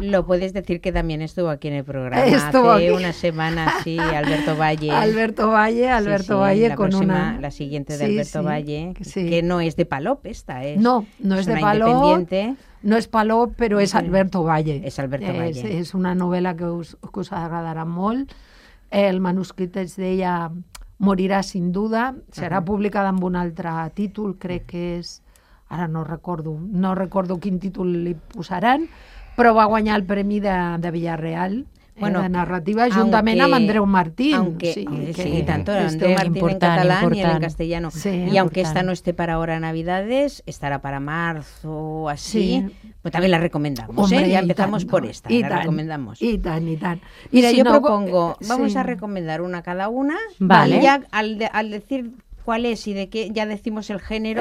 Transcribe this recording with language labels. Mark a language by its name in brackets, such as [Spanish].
[Spanish] Lo puedes decir que también estuvo aquí en el programa. Hace una semana, sí, Alberto Valle. Alberto Valle con una... La siguiente de Alberto Valle, que no es de Palop esta, es... No, no es de Palop. Es una independiente. No es Palop, [Catalan] però és Alberto Valle. És Alberto Valle. És una novel·la que us agradarà molt. El manuscrit es deia Morirà sin duda. Serà publicada amb un altre títol, crec que és... Ara no recordo quin títol li posaran, però va guanyar el premi de Villarreal, bueno, de narrativa, juntament amb Andreu Martín. Sí, tant Andreu Martín important, en català i en castellano. Sí, [Spanish] i aunque esta no esté para ahora Navidades, estarà para marzo o así, pues també la recomendamos. Hombre, ya empezamos por esta, recomendamos. [Catalan] I tant. [Spanish] Mira, si yo no, propongo, vamos a recomendar una cada una, vale. Y ya al decir... ¿Cuál es y de qué? Ya decimos el género.